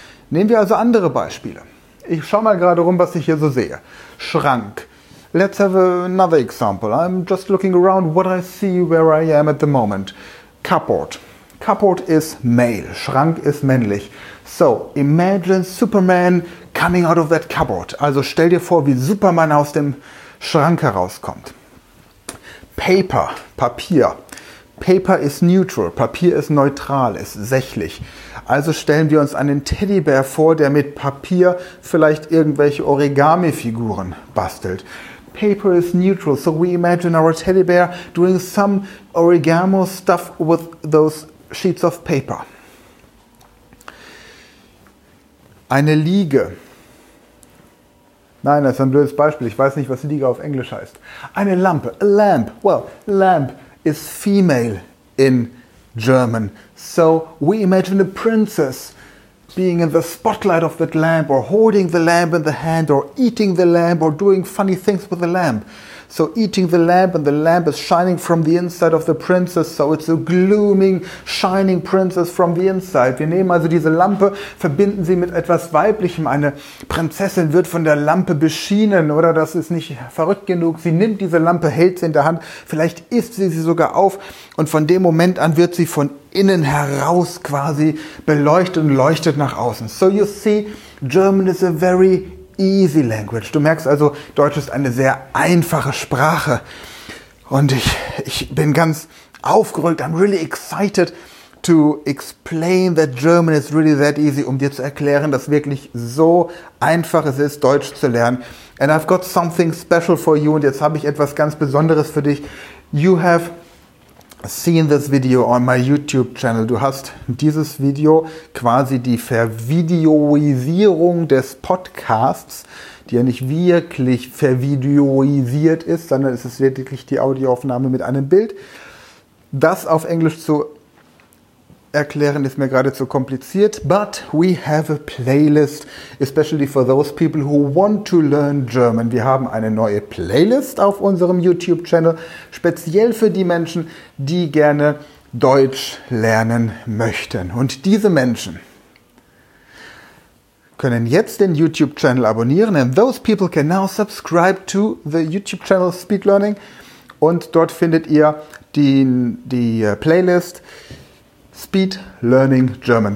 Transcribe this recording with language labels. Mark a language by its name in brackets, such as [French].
[German] Nehmen wir also andere Beispiele. Ich schau mal gerade rum, was ich hier so sehe. Schrank. [English] Let's have another example. I'm just looking around what I see where I am at the moment. Cupboard. Cupboard is male. [German] Schrank ist männlich. [English] So, imagine Superman coming out of that cupboard. [German] Also stell dir vor, wie Superman aus dem Schrank herauskommt. Paper. Papier. [English] Paper is neutral. [German] Papier ist neutral, ist sächlich. Also stellen wir uns einen Teddybär vor, der mit Papier vielleicht irgendwelche Origami-Figuren bastelt. [English] Paper is neutral, so we imagine our teddy bear doing some origami stuff with those sheets of paper. [German] Eine Liege. Nein, das ist ein blödes Beispiel. Ich weiß nicht, was Liege auf Englisch heißt. Eine Lampe. [English] A lamp. Well, lamp is female in German. So we imagine a princess being in the spotlight of that lamp or holding the lamp in the hand or eating the lamp or doing funny things with the lamp. So eating the lamp and the lamp is shining from the inside of the princess. So it's a glooming, shining princess from the inside. [German] Wir nehmen also diese Lampe, verbinden sie mit etwas Weiblichem. Eine Prinzessin wird von der Lampe beschienen, oder? Das ist nicht verrückt genug. Sie nimmt diese Lampe, hält sie in der Hand. Vielleicht isst sie sie sogar auf. Und von dem Moment an wird sie von innen heraus quasi beleuchtet und leuchtet nach außen. [English] So you see, German is a very easy language. [German] Du merkst also, Deutsch ist eine sehr einfache Sprache. Und ich bin ganz aufgerückt. [English] I'm really excited to explain that German is really that easy, [German] um dir zu erklären, dass wirklich so einfach es ist, Deutsch zu lernen. [English] And I've got something special for you. [German] Und jetzt habe ich etwas ganz Besonderes für dich. [English] You have seen this video on my YouTube channel. [German] Du hast dieses Video, quasi die Vervideoisierung des Podcasts, die ja nicht wirklich vervideoisiert ist, sondern es ist lediglich die Audioaufnahme mit einem Bild. Das auf Englisch zu erklären ist mir gerade zu kompliziert. [English] But we have a playlist, especially for those people who want to learn German. [German] Wir haben eine neue Playlist auf unserem YouTube-Channel, speziell für die Menschen, die gerne Deutsch lernen möchten. Und diese Menschen können jetzt den YouTube-Channel abonnieren. [English] And those people can now subscribe to the YouTube-Channel Speed Learning. [German] Und dort findet ihr die Playlist Speed Learning German.